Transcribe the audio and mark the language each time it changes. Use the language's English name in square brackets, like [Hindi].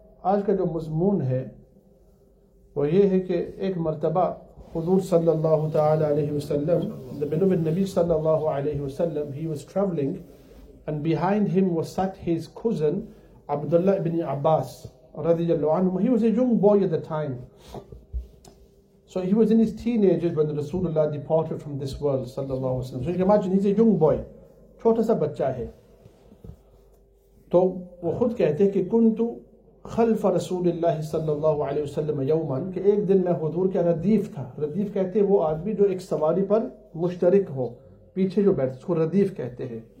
[Urdu] آج کا جو مضمون ہے وہ یہ ہے کہ ایک مرتبہ حضور صلی اللہ تعالی علیہ وسلم بنو النبی صلی اللہ علیہ وسلم [English] he was traveling and behind him was sat his cousin [Urdu] Abdullah ibn Abbas رضی اللہ عنہ. [English] He was a young boy at the time. So he was in his teenagers when the Rasulullah departed from this world صلی اللہ علیہ وسلم. So you can imagine he's a young boy. [Urdu] چھوٹا سا بچہ ہے. تو وہ خود کہتے کہ [Arabic] کنتو خلف رسول اللہ صلی اللہ علیہ وسلم یوماً, [Urdu] کہ ایک دن میں حضور کے ردیف تھا. ردیف کہتے ہیں وہ آدمی جو ایک سواری پر مشترک ہو, پیچھے جو بیٹھ, اس کو ردیف کہتے ہیں.